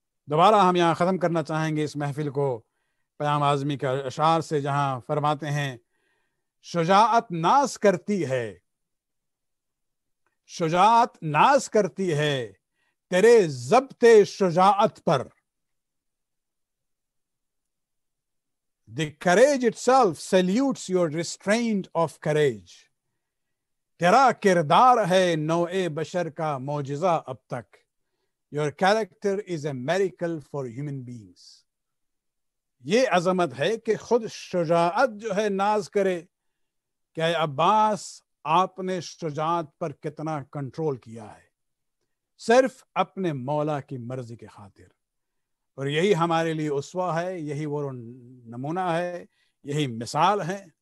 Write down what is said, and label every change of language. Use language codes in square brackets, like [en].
[ur] دوبارہ ہم یہاں ختم کرنا چاہیں گے اس محفل کو پیام اعظمی کے اشعار سے، جہاں فرماتے ہیں، شجاعت ناز کرتی ہے، شجاعت ناز کرتی ہے تیرے ضبط شجاعت پر. [en] The courage itself salutes your restraint of courage. [ur] تیرا کردار ہے نوع بشر کا معجزہ اب تک. [en] Your character is a miracle for human beings. [ur] یہ عظمت ہے کہ خود شجاعت جو ہے ناز کرے کہ اے عباس، آپ نے شجاعت پر کتنا کنٹرول کیا ہے صرف اپنے مولا کی مرضی کے خاطر. اور یہی ہمارے لیے اسوہ ہے، یہی وہ نمونہ ہے، یہی مثال ہے.